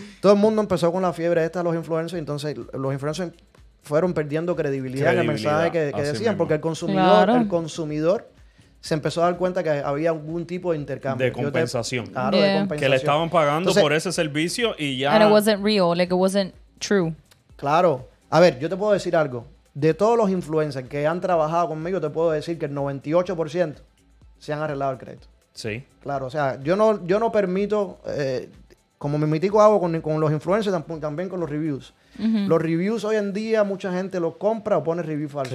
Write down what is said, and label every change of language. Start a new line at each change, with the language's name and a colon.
Spanish: Todo el mundo empezó con la fiebre esta, los influencers, y entonces los influencers fueron perdiendo credibilidad en el mensaje que decían, mismo. Porque el consumidor se empezó a dar cuenta que había algún tipo de intercambio. De compensación. De compensación. Que le estaban pagando por ese servicio y ya...
English: And it wasn't real, like it wasn't true.
Spanish: Claro. A ver, yo te puedo decir algo. De todos los influencers que han trabajado conmigo, te puedo decir que el 98% se han arreglado el crédito. Sí. Claro, o sea, yo no permito... como me mitico hago con los influencers, también con los reviews. Los reviews hoy en día mucha gente los compra o pone reviews falsos.